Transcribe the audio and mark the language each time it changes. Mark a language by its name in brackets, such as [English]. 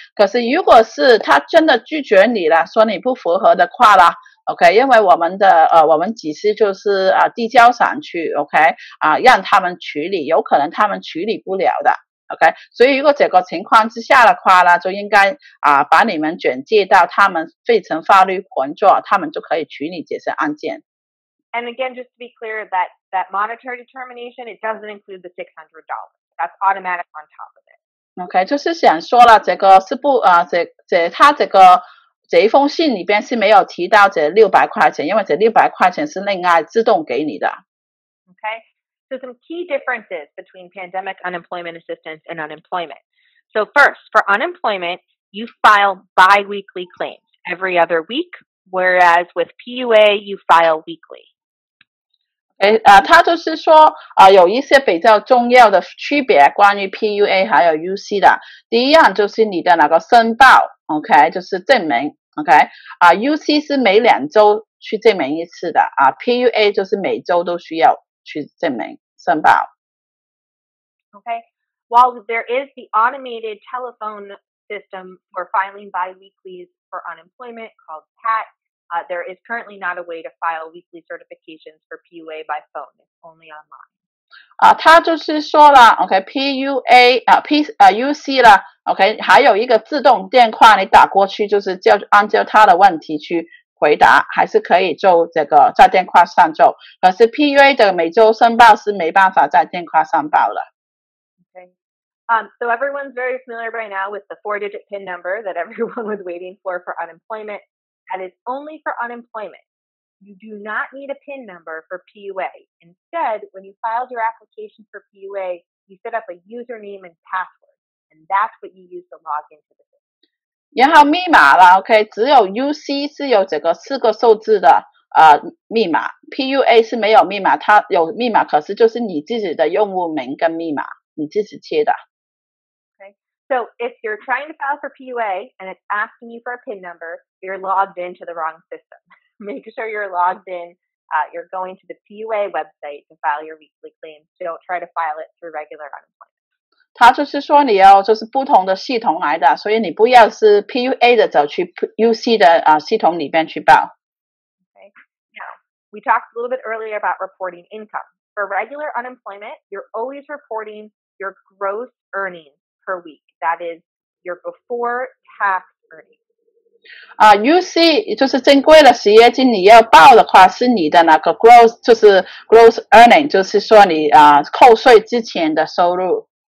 [Chinese] 可是如果是他真的拒绝你了，说你不符合的话了 ，OK， 因为我们的我们只是就是啊、递交上去 ，OK， 啊、让他们处理，有可能他们处理不了的 ，OK。所以如果这个情况之下的话呢，就应该啊、把你们转介到他们费城法律工作，他们就可以处理这些案件。 [English] And again, just to be clear, that monetary determination, it doesn't include the $600. That's automatic on top of it. [Chinese] Okay, 就是想说了，这个是不啊，他这个这一封信里边是没有提到这600块钱，因为这600块钱是另外自动给你的。 [English] Okay, so some key differences between pandemic unemployment assistance and unemployment. So first, for unemployment, you file biweekly claims every other week. Whereas with PUA, you file weekly. [Chinese] 他就是说、有一些比较重要的区别关于 PUA 还有 UC 的。第一样就是你的那个申报 ,OK, 就是证明 ,OK,、UC 是每两周去证明一次的、PUA 就是每周都需要去证明申报。 [English] OK, while there is the automated telephone system for filing bi-weeklies,for unemployment called PAT,、there is currently not a way to file weekly certifications for PUA by phone. It's only online. [Chinese] 他就是说了 okay, PUA,、UC 了 okay, 还有一个自动电话你打过去就是叫按照他的问题去回答还是可以做这个在电话上做可是 PUA 的每周申报是没办法在电话上报了 [English] So everyone's very familiar by now with the four-digit PIN number that everyone was waiting for unemployment. That is only for unemployment. You do not need a PIN number for PUA. Instead, when you filed your application for PUA, you set up a username and password, and that's what you use to log into the system. [Chinese] 然后密码了 ，OK， 只有 UC 是有这个四个数字的密码 ，PUA 是没有密码，它有密码，可是就是你自己的用户名跟密码，你自己贴的。 [English] So if you're trying to file for PUA and it's asking you for a PIN number, you're logged into the wrong system. Make sure you're logged in. You're going to the PUA website to file your weekly claims. So don't try to file it through regular unemployment. [Chinese] 他就是说你要就是不同的系统来的，所以你不要是 PUA 的走去 UC 的、系统里面去报。 [English] Okay. Now, we talked a little bit earlier about reporting income. For regular unemployment, you're always reporting your gross earnings per week. That is your before tax earnings. [Chinese] UC 就是正规的失业金，你要报的话是你的那个 gross， 就是 gross earning， 就是说你、扣税之前的收入。